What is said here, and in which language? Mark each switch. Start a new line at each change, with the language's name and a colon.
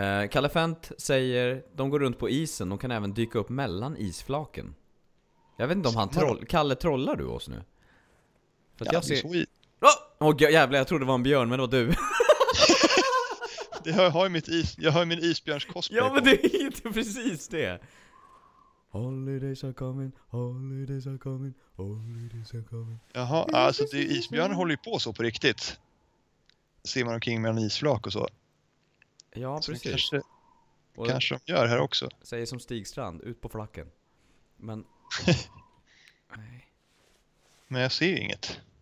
Swedish: Kalle Fent säger, de går runt på isen, de kan även dyka upp mellan isflaken. Jag vet inte om han Kalle, trollar du oss nu? För att ja, jag ser... Jävlar, jag trodde det var en björn, men det var du. Jag har ju min isbjörnskosplay. Ja, men det är inte precis det.
English: Holidays are coming, holidays are coming, holidays are coming.
Swedish: Jaha, alltså det är, isbjörnen håller ju på så på riktigt. Simmar omkring med en isflak och så. Ja, så precis. Kanske de gör här också. Säger som Stigstrand, ut på flacken. Men... Nej. Men jag ser ju inget.